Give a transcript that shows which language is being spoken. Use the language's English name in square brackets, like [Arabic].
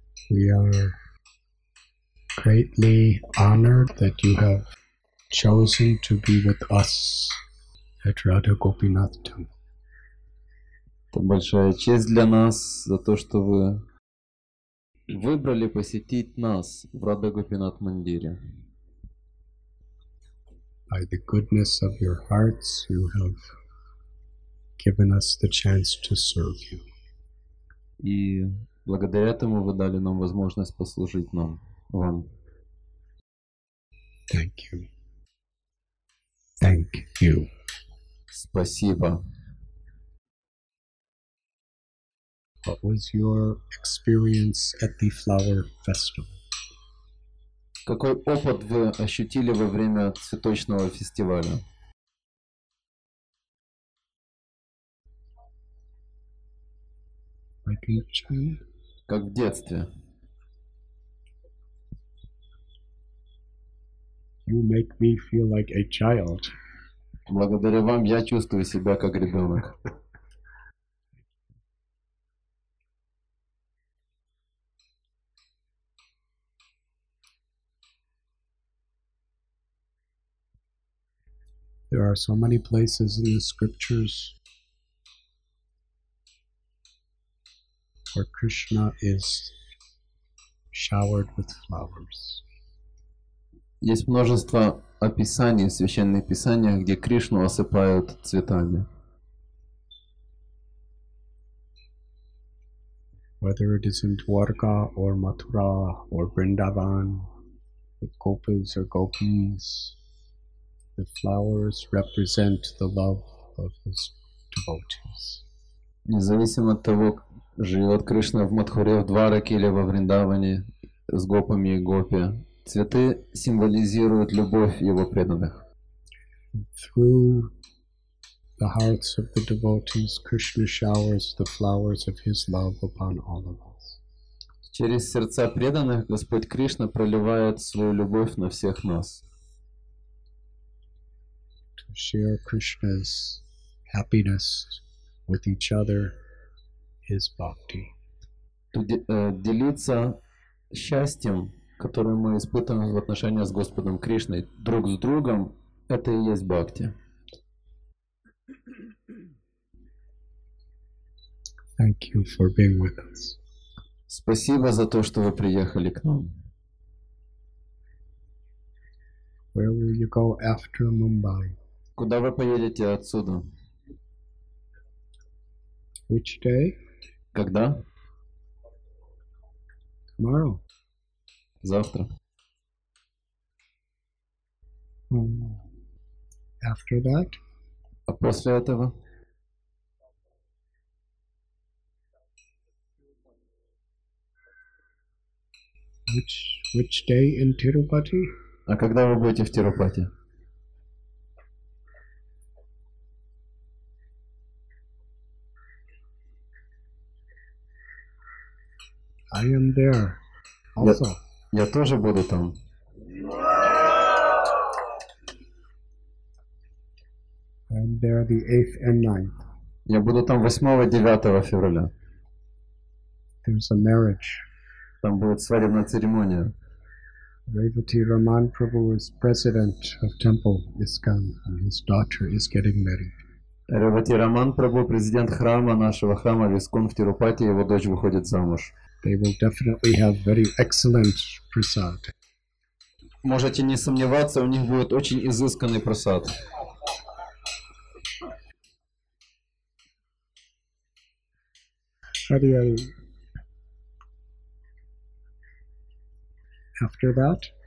[English] We are greatly honored that you have chosen to be with us at Radha Gopinath Temple. [Russian] Это большая честь для нас за то, что вы выбрали посетить нас в Радха Гопинат Мандире. [English] By the goodness of your hearts, you have given us the chance to serve you. [Russian] И благодаря этому вы дали нам возможность послужить нам, вам. [English] Thank you. Thank you. [Russian] Спасибо. [English] What was your experience at the flower festival? [Russian] Какой опыт вы ощутили во время цветочного фестиваля? [English] Like in China? [Russian] Как в детстве. [English] You make me feel like a child. [Russian] Благодаря вам я чувствую себя как ребенок. [English] There are so many places in the scriptures where Krishna is showered with flowers. [Russian] Есть множество описаний, священных писаний, где Кришну осыпают цветами. [English] Whether it is in Dwarka or Mathura or Vrindavan, with gopis or gopis, the flowers represent the love of his devotees. [Russian] Независимо от того, живет Кришна в Матхуре, в Двараке или во Вриндаване с гопами и гопи, цветы символизируют любовь его преданных. [English] Through the hearts of the devotees, Krishna showers the flowers of his love upon all of us. [Russian] Через сердца преданных Господь Кришна проливает свою любовь на всех нас. [English] To share Krishna's happiness with each other is bhakti. [Russian] Делиться счастьем, которое мы испытываем в отношениях с Господом Кришной, друг с другом, это и есть бхакти. [English] Thank you for being with us. [Russian] Спасибо за то, что вы приехали к нам. [English] Where will you go after Mumbai? [Russian] Куда вы поедете отсюда? [English] Which day? [Russian] Когда? [English] Tomorrow. [Russian] Завтра. [English] After that? [Russian] А после этого? [English] Which day in Tirupati? [Russian] А когда вы будете в Тирупати? [English] I am there also. [Russian] Я тоже буду там. [English] I'm there the 8th and 9th. [Russian] Я буду там 8 и 9 февраля. [English] There's a marriage. [Russian] Там будет свадебная церемония. [English] Revati Raman Prabhu is president of Temple ISKCON and his daughter is getting married. [Russian] Revati Raman Prabhu, президент храма нашего храма ISKCON в Тирупати, его дочь выходит замуж. [English] They will definitely have very excellent prasad. [Russian] Можете не сомневаться, у них будет очень изысканный просад. [English] After that?